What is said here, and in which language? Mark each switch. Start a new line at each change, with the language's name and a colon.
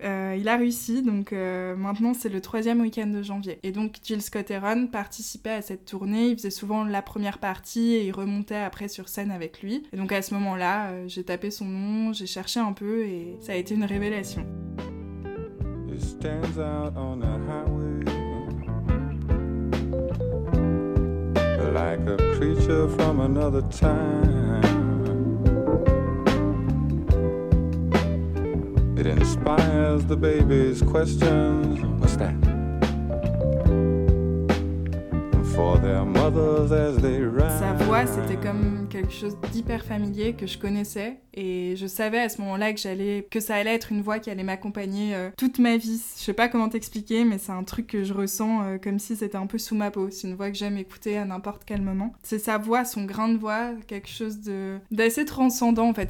French: Il a réussi, donc maintenant c'est le troisième week-end de janvier. Et donc Gilles Cotteron participait à cette tournée, il faisait souvent la première partie et il remontait après sur scène avec lui. Et donc à ce moment-là, j'ai tapé son nom, j'ai cherché un peu et ça a été une révélation.
English: It stands out on a highway, like a creature from another time. It inspires the baby's questions. What's that? For their mothers as they rhyme.
French: Sa voix, c'était comme quelque chose d'hyper familier que je connaissais. Et je savais à ce moment-là que ça allait être une voix qui allait m'accompagner toute ma vie. Je sais pas comment t'expliquer, mais c'est un truc que je ressens comme si c'était un peu sous ma peau. C'est une voix que j'aime écouter à n'importe quel moment. C'est sa voix, son grain de voix, quelque chose d'assez transcendant en fait.